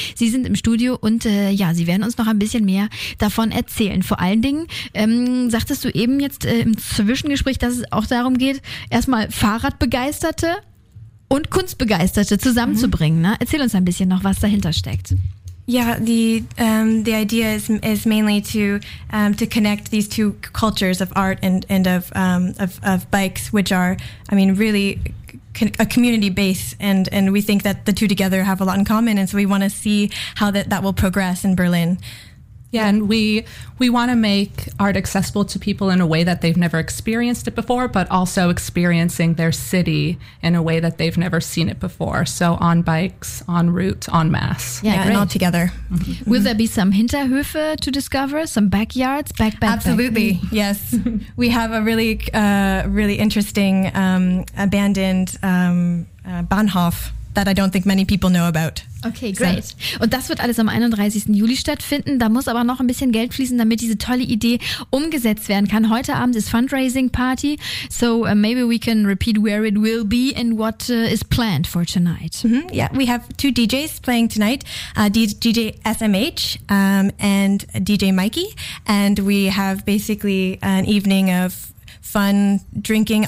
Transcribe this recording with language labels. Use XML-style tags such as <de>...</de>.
<de>Sie sind im Studio und sie werden uns noch ein bisschen mehr davon erzählen. Vor allen Dingen sagtest du eben jetzt im Zwischengespräch, dass es auch darum geht, erstmal Fahrradbegeisterte und Kunstbegeisterte zusammenzubringen. Mhm. Ne? Erzähl uns ein bisschen noch, was dahinter steckt.</de> <en>Yeah, the idea is mainly to connect these two cultures of art and of bikes, which are, I mean, really a community base, and we think that the two together have a lot in common, and so we want to see how that will progress in Berlin. Yeah, and we want to make art accessible to people in a way that they've never experienced it before, but also experiencing their city in a way that they've never seen it before. So on bikes, en route, en masse. Yeah, yeah, and all together. Mm-hmm. Will there be some Hinterhöfe to discover, some backyards? Absolutely, back. Yes. We have a really, really interesting abandoned Bahnhof that I don't think many people know about. Okay, great.</en> <de>Und das wird alles am 31. Juli stattfinden. Da muss aber noch ein bisschen Geld fließen, damit diese tolle Idee umgesetzt werden kann. Heute Abend ist Fundraising Party.</de> <en>So maybe we can repeat where it will be and what is planned for tonight. Mm-hmm. Yeah, we have two DJs playing tonight. DJ SMH and DJ Mikey. And we have basically an evening of fun drinking.</en>